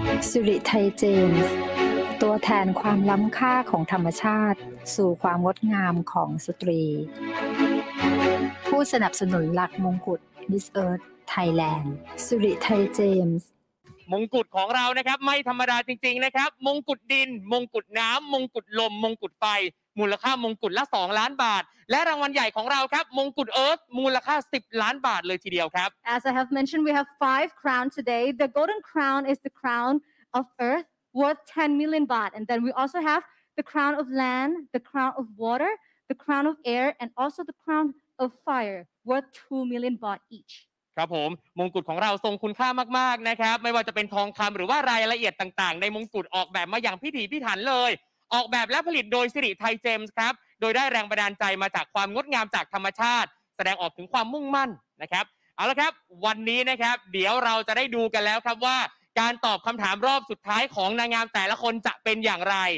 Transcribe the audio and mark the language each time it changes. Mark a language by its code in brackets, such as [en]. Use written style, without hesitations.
[th] สิริไทยเจมส์ตัวแทนความล้ำค่าของธรรมชาติสู่ความงดงามของสตรีผู้สนับสนุนหลักมงกุฎ Miss Earth Thailand สิริไทยเจมส์ มงกุฎของเรานะครับไม่ธรรมดาจริงๆนะครับมงกุฎดินมงกุฎน้ำมงกุฎลมมงกุฎไฟมูลค่ามงกุฎละ2ล้านบาทและรางวัลใหญ่ของเราครับมงกุฎเอิร์ธมูลค่า10ล้านบาทเลยทีเดียวครับ [en] As I have mentioned we have 5 crown today the golden crown is the crown of earth worth 10 million baht and then we also have the crown of land the crown of water the crown of air and also the crown of fire worth 2 million baht each [th] ครับผมมงกุฎของเราทรงคุณค่ามากๆนะครับไม่ว่าจะเป็นทองคำหรือว่ารายละเอียดต่างๆในมงกุฎออกแบบมาอย่างพิถีพิถันเลยออกแบบและผลิตโดยสิริไทยเจมส์ครับโดยได้แรงบันดาลใจมาจากความงดงามจากธรรมชาติแสดงออกถึงความมุ่งมั่นนะครับเอาละครับวันนี้นะครับเดี๋ยวเราจะได้ดูกันแล้วครับว่าการตอบคำถามรอบสุดท้ายของนางงามแต่ละคนจะเป็นอย่างไร